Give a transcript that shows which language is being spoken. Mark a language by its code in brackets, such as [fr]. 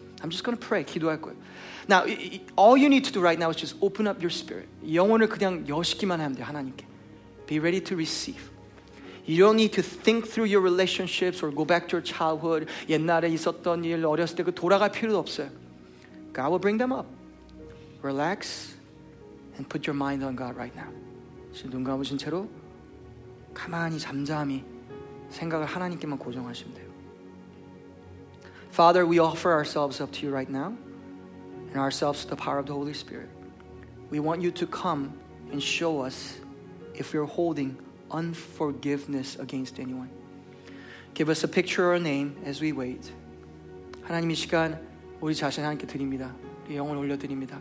[en] I'm just going to pray. [ko] 기도할 거예요. [en] Now, all you need to do right now is just open up your spirit. [ko] 영혼을 그냥 여시기만 하면 돼요. [en] 하나님께. Be ready to receive. You don't need to think through your relationships or go back to your childhood. [ko] 옛날에 있었던 일, 어렸을 때 그 돌아갈 필요도 없어요. [en] God will bring them up. Relax and put your mind on God right now. [ko] 지금 눈 감으신 채로 가만히 잠잠히 생각을 하나님께만 고정하시면 돼요. [en] Father, we offer ourselves up to you right now and ourselves to the power of the Holy Spirit. We want you to come and show us if we're holding unforgiveness against anyone. Give us a picture or a name as we wait. [ko] 하나님 이 시간 우리 자신을 하나님께 드립니다. 우리 영혼 올려드립니다.